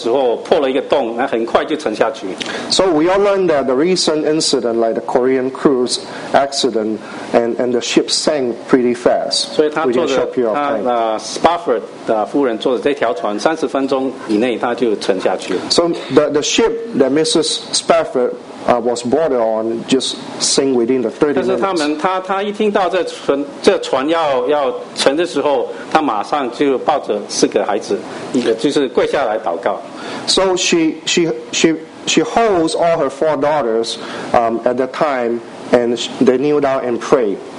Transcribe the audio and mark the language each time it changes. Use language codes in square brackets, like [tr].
[zh] 我们最近听到这个韩国这个渡海轮这个被撞的时候破了一个洞，那很快就沉下去。 [en] So we all learned that the recent incident, like the Korean cruise accident, and the ship sank pretty fast. [zh] 所以他坐的他 Spafford 的夫人坐的这条船，30分钟以内他就沉下去了。 [en] So the ship that Mrs. Spafford was boarded on just sink within the 30 minutes. [zh] 但是他一听到这船要沉的时候，他马上就抱着四个孩子，就是跪下来祷告。 [en] So she holds all her four daughters at that time, and they kneel down and pray.